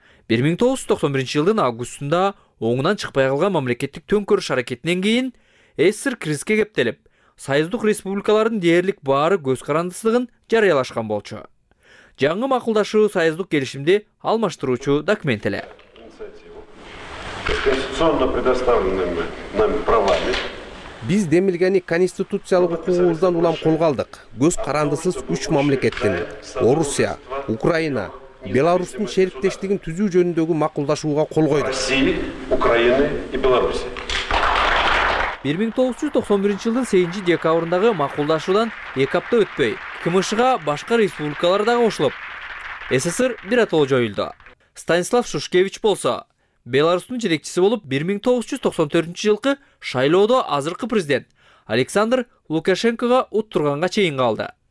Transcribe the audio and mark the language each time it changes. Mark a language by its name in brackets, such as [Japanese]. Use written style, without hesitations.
[Kyrgyz] 1991 жылдын августунда оңунан чыкпай калган мамлекеттик төңкөрүш аракетинен кийин СССР кризиске кептелип, союздук республикалардын дээрлик баары көз карандысыздыгын жарыялашкан болчу. Жаңы макулдашуу союздук келишимди алмаштыруучу документ эле. [Russian] Конституционно предоставленными нами правами. [Kyrgyz] Биз демилгени конституциялык укугубуздан улам колго алдык. Көз карандысыз үч мамлекеттин Орусия, Украина, Беларусьтун шериктештигин түзүү жөнүндөгү макулдашууга кол койдук. [Russian] Россия, Украина и Беларусь. [Kyrgyz] 1991 жылдын 8 декабрындагы макулдашуудан 2 апта өтпөй, КМШ-га башка республикалар да кошулуп, СССР биротоло жоюлду. Станислав Шушкевич болсо, Беларусьтун жетекчиси болуп 1994 жылкы шайлоодо азыркы президент Александр Лукашенкога уттурганга чейин калды.